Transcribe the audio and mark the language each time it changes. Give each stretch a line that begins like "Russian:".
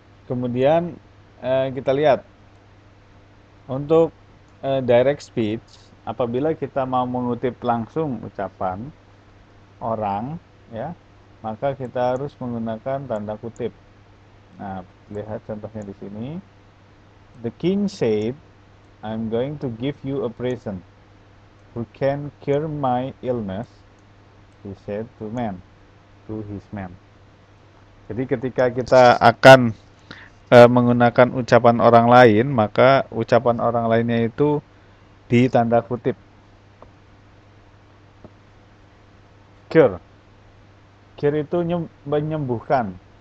Indonesian: Kemudian kita lihat untuk direct speech, apabila kita mau mengutip langsung ucapan orang, ya, maka kita harus menggunakan tanda kutip. Nah, lihat contohnya di sini.
English: The king said, "I'm going to give you a present who can cure my illness." He said to man, to his man.
Indonesian: Jadi ketika kita akan menggunakan ucapan orang lain, maka ucapan orang lainnya itu ditanda kutip. Cure. Cure itu menyembuhkan.